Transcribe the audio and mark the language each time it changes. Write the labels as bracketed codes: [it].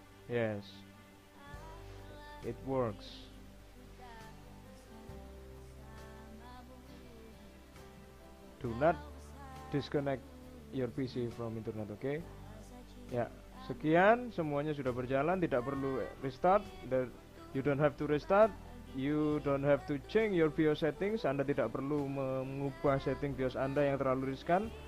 [en] Yes, it works. Do not disconnect your PC from internet, okay? [id] Ya, sekian, semuanya sudah berjalan, tidak perlu restart. [en] You don't have to restart. You don't have to change your BIOS settings. [id] Anda tidak perlu mengubah setting BIOS Anda yang terlalu riskan.